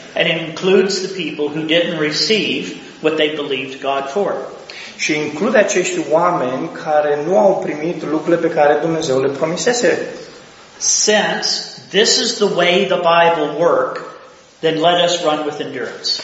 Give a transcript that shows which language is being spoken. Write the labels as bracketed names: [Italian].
[English] And it includes the people who didn't receive what they believed God for. [Romanian] Și include acești oameni care nu au primit lucrurile pe care Dumnezeu le promisese. [English] Since this is the way the Bible works, then let us run with endurance.